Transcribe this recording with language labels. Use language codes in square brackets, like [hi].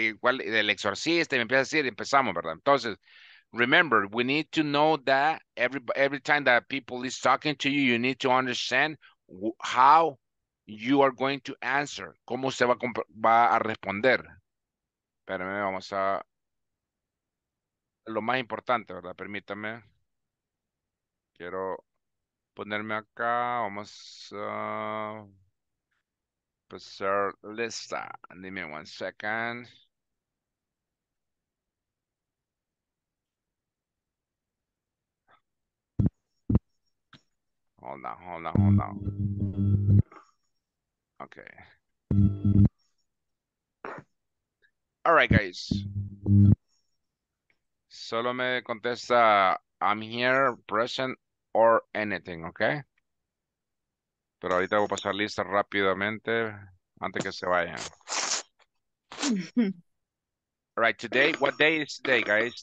[es] ¿Cuál es el exorcista? Y me empieza a decir, empezamos, ¿verdad? [en] Entonces, remember, we need to know that every time that people is talking to you, you need to understand how you are going to answer. [es] ¿Cómo se va a responder? Espérame, vamos a... Lo más importante, ¿verdad? Permítame. Quiero ponerme acá. Vamos a... Empezar lista. Dime [en] 1 second. Hold on. Okay. All right, guys. [es] Solo me contesta, [en] I'm here, present, or anything, okay? [es] Pero ahorita voy a pasar lista rápidamente antes que se vayan. [en] All right, today, what day is today, guys?